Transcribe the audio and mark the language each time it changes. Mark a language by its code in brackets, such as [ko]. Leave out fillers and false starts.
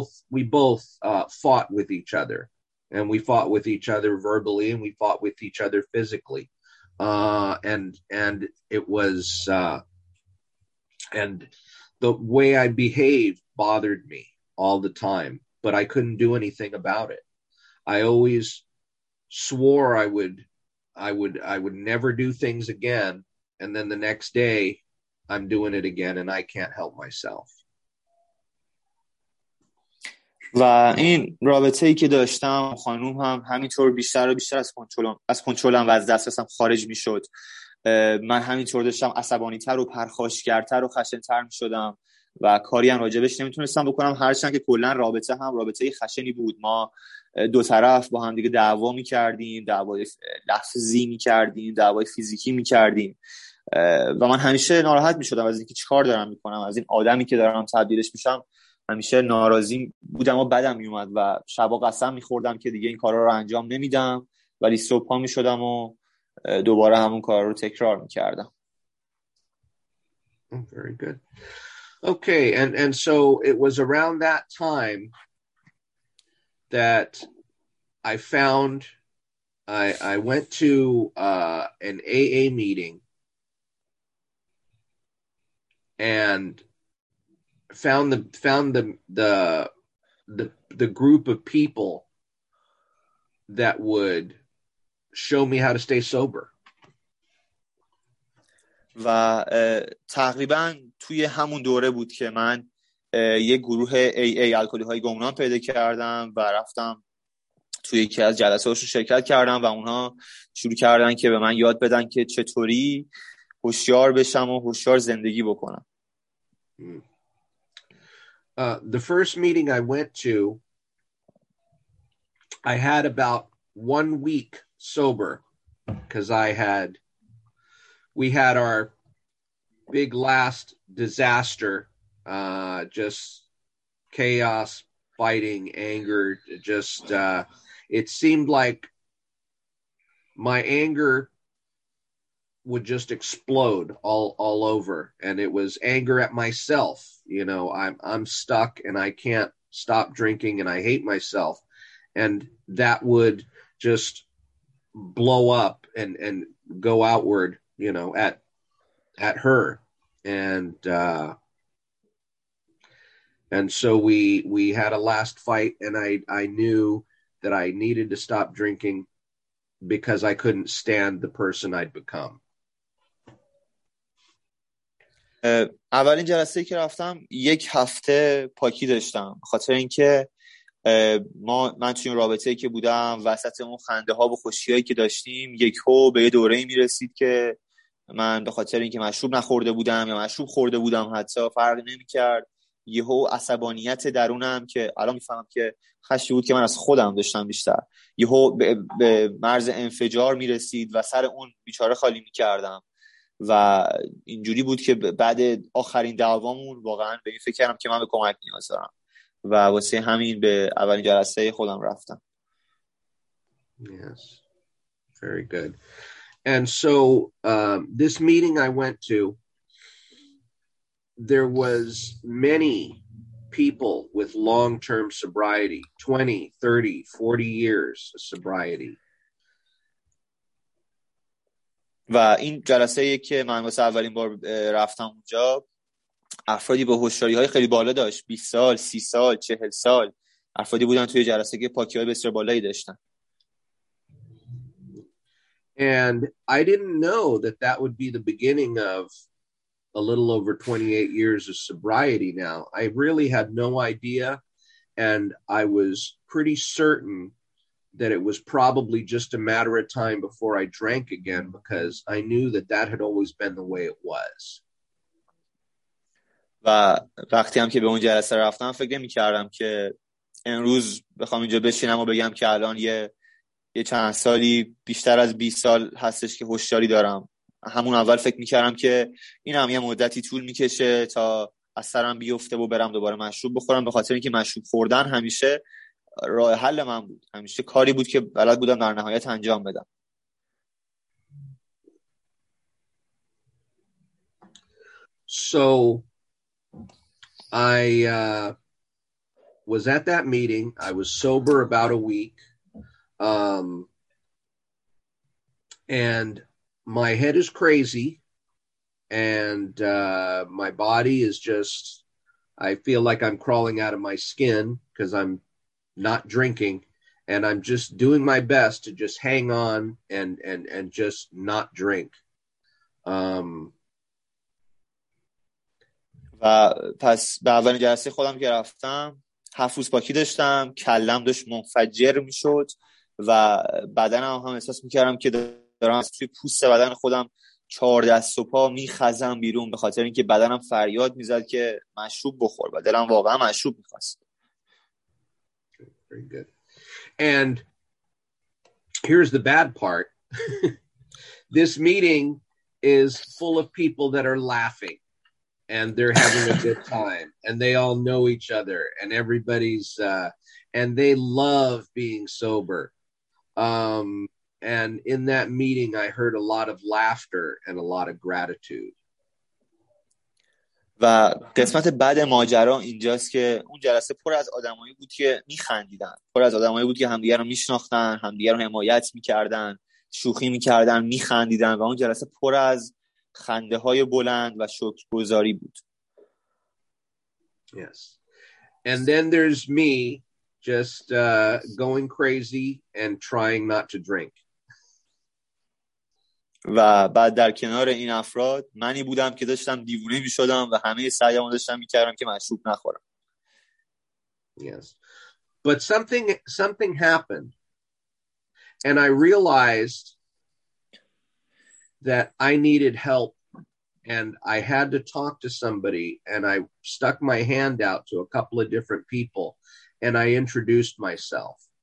[en] We both fought with each other, and we fought with each other verbally, and we fought with each other physically, and it was and the way I behaved bothered me all the time, but I couldn't do anything about it. I always swore I would never do things again, and then the next day I'm doing it again and I can't help myself. [fa] و این رابطه‌ای که داشتم خانوم هم همینطور بیشتر و بیشتر از کنترلم و از دسترسم خارج می‌شد. من همینطور داشتم عصبانی‌تر و پرخاشگرتر و خشن‌تر می‌شدم و کاری هم راجبش نمیتونستم بکنم، هرچند که کلا رابطه هم رابطه خشنی بود. ما دو طرف با هم دیگه دعوا میکردیم، دعوای لفظی میکردیم، دعوای فیزیکی میکردیم و من همیشه ناراحت میشدم از اینکه چیکار دارم میکنم، از این آدمی که دارم تبدیلش میشم. همیشه ناراضی بودم و بدم میومد و شبا قسم میخوردم که دیگه این کارا رو انجام نمیدم، ولی صبح ها میشدم و دوباره همون کار رو تکرار میکردم. [en] Very good. Okay, and so it was around that time that I found, I went to an AA meeting and found the group of people that would show me how to stay sober. [fa] و تقریبا توی همون دوره بود که من یه گروه AA الکلی های گمنام پیدا کردم و رفتم توی یکی از جلسه هاشون شرکت کردم و اونها شروع کردن که به من یاد بدن که چطوری هوشیار بشم و هوشیار زندگی بکنم. [en] The first meeting I went to, I had about 1 week sober because we had our big last disaster, just chaos, fighting, anger, just, it seemed like my anger would just explode all over. And it was anger at myself. You know, I'm stuck and I can't stop drinking and I hate myself. And that would just blow up and go outward, you know, at her. And so we had a last fight, and I knew that I needed to stop drinking because I couldn't stand the person I'd become. [fa] اولین جلسه که رفتم یک هفته پاکی داشتم، خاطر اینکه من توی رابطه‌ای که بودم وسط اون خنده ها و خوشی هایی که داشتیم، یک هو به یه دوره‌ای میرسید که من به خاطر اینکه مشروب نخورده بودم یا مشروب خورده بودم حتی فرق نمی کرد، یهو عصبانیت درونم که الان میفهمم که خشمی بود که من از خودم داشتم بیشتر، یهو به مرز انفجار می رسید و سر اون بیچاره خالی می کردم. و اینجوری بود که بعد آخرین دعوامون واقعا به این فکر کردم که من به کمک نیاز دارم و واسه همین به اولین جلسه خودم رفتم. [en] Yes, very good. And so this meeting I went to, there was many people with long-term sobriety, 20, 30, 40 years of sobriety. [fa] و این جلسه ای که من واسه اولین بار رفتم اونجا، افرادی با هوشیاری های خیلی بالا داشت، 20 سال، 30 سال، 40 سال افرادی بودن توی جلسه که پاکی های بسیار بالایی داشتن. [en] And I didn't know that that would be the beginning of a little over 28 years of sobriety now. I really had no idea, and I was pretty certain that it was probably just a matter of time before I drank again, because I knew that that had always been the way it was. [fa] و وقتی هم که به اون جلسه رفتم فکر نمی کردم که امروز بخوام اینجا بشینم و بگم که الان یه چند سالی بیشتر از 20 سال هستش که هوشیاری دارم. همون اول فکر می کردم که این هم یه مدتی طول می کشه تا از سرم بیفته و برم دوباره مشروب بخورم، به خاطر اینکه مشروب خوردن همیشه راه حل من بود، همیشه کاری بود که بلد بودم در نهایت انجام بدم. [en] So I was at that meeting. I was sober about a week. And my head is crazy, and my body is just, I feel like I'm crawling out of my skin because I'm not drinking, and I'm just doing my best to just hang on and just not drink. [fa] و پس به اولین جلسه خودم که رفتم، هفت روز پاکی داشتم، کلم داشت منفجر میشد و بدنم هم احساس میکردم که دارم از توی پوست بدن خودم چهار دست و پا میخزم بیرون، به خاطر اینکه بدنم فریاد میزد که مشروب بخور و دلم واقعا مشروب میخواست. [en] Very good. And here's the bad part. This meeting is full of people that are laughing and they're having a good time and they all know each other and everybody's and they love being sober. And in that meeting I heard a lot of laughter and a lot of gratitude. [fa] و قسمت بعد ماجرا اینجاست که اون جلسه پر از آدمایی بود که میخندیدن، پر از آدمایی بود که همدیگر رو میشناختن، همدیگر رو حمایت میکردن، شوخی میکردن، میخندیدن و اون جلسه پر از خنده های بلند و شکرگزاری بود. [en] Yes. And then there's me just going crazy and trying not to drink. [fa] و بعد در کنار این افراد منی بودم که داشتم دیوونه می‌شدم و همه سعیمو داشتم می‌کردم که مشروب نخورم. [en] Yes. But something happened and I realized that I needed help and I had to talk to somebody and I stuck my hand out to a couple of different people and I introduced myself.